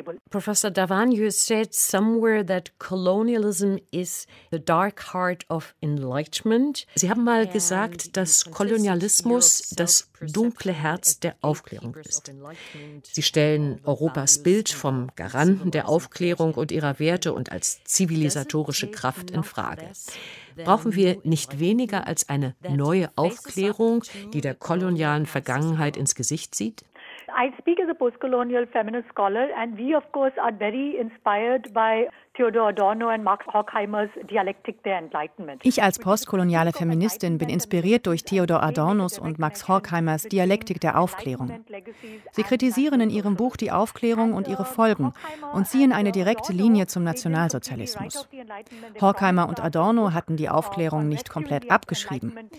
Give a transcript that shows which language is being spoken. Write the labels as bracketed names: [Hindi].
[English] Professor Davan, you said somewhere that colonialism is the dark heart of enlightenment. [German] Sie haben mal gesagt, dass Kolonialismus das dunkle Herz der Aufklärung ist. Sie stellen Europas Bild vom Garanten der Aufklärung und ihrer Werte und als zivilisatorische Kraft in Frage. Brauchen wir nicht weniger als eine neue Aufklärung, die der kolonialen Vergangenheit ins Gesicht sieht? [English] I speak as a postcolonial feminist scholar, and we of course are very inspired by Theodor Adorno and Marx Horkheimer's Dialectic der Enlightenment. [German] Ich als postkoloniale Feministin bin inspiriert durch Theodor Adornos und Max Horkheimer's Dialektik der Aufklärung. Sie kritisieren in ihrem Buch die Aufklärung und ihre Folgen und ziehen eine direkte Linie zum Nationalsozialismus. Horkheimer und Adorno hatten die Aufklärung nicht komplett abgeschrieben.